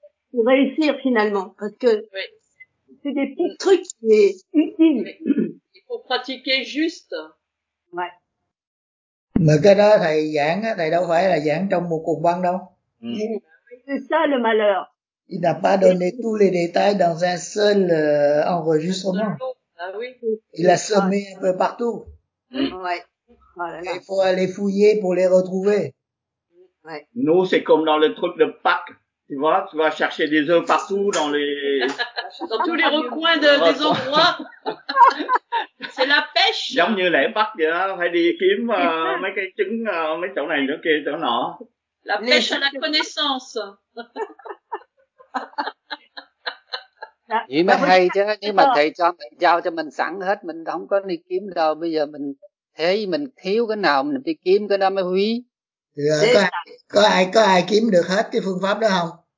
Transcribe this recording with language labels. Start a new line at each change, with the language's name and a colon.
French: Pour réussir finalement, parce que oui. c'est des petits trucs qui sont utiles. Il faut pratiquer juste. Ouais.
Vietnamese: Mais cái đó thầy giảng á, thầy đâu phải là giảng trong một cuộc băng đâu.
French: C'est ça le malheur. Il n'a pas donné tous les détails dans un seul enregistrement. Ah oui. Il a semé un peu partout. Ouais. Voilà. Il faut aller fouiller pour les retrouver. Ouais. Nous, c'est comme dans le truc de Pâques. Tu vois, tu vas chercher des œufs partout dans les dans tous les recoins de, des endroits. C'est la pêche.
Vietnamese: Giống như lễ bắt vậy đó, phải đi kiếm mấy cái trứng mấy chỗ này chỗ kia chỗ nọ.
French: La pêche à la connaissance.
Vietnamese: Vậy mới hay chứ, nhưng mà thầy cho mình giao cho mình sẵn hết, mình không có đi kiếm đâu. Bây giờ mình thấy mình thiếu cái nào mình đi kiếm cái đó mới quý. Có ai kiếm được hết cái phương pháp đó không?